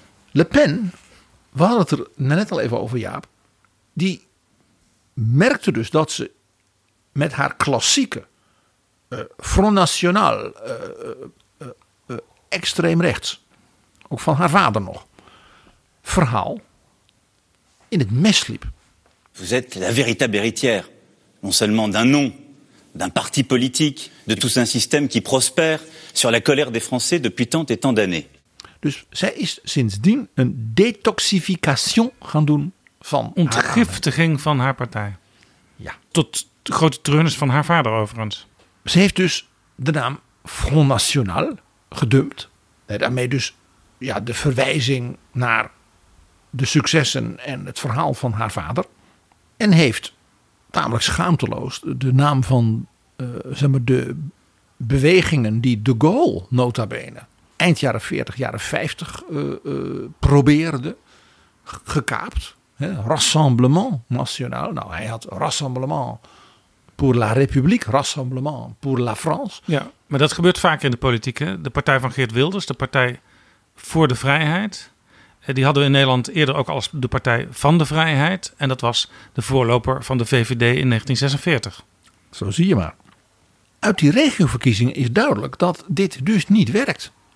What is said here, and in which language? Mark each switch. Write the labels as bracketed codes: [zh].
[nl] Le Pen, we hadden het er net al even over, Jaap. Die merkte dus dat ze met haar klassieke Front National, extreem rechts, ook van haar vader nog, verhaal in het mes liep. [fr] Vous êtes la véritable héritière. Non seulement d'un nom, d'un parti politique, de tout un système qui prospère sur la colère des Français depuis tant et tant d'années. [nl] Dus zij is sindsdien een detoxification gaan doen van ontgiftiging van haar partij. Ja. Tot grote treurnis van haar vader overigens. Ze heeft dus de naam Front National gedumpt. Daarmee dus ja, de verwijzing naar de successen en het verhaal van haar vader. En heeft tamelijk schaamteloos de naam van zeg maar, de bewegingen die de Gaulle nota bene eind jaren 40, jaren 50 probeerde, gekaapt. Hè, Rassemblement National. Nou, hij had Rassemblement pour la République, Rassemblement pour la France. Ja, maar dat gebeurt vaker in de politiek. Hè? De partij van Geert Wilders, de Partij voor de Vrijheid. Die hadden we in Nederland eerder ook als de Partij van de Vrijheid. En dat was de voorloper van de VVD in 1946. Zo zie je maar. Uit die regioverkiezingen is duidelijk dat dit dus niet werkt.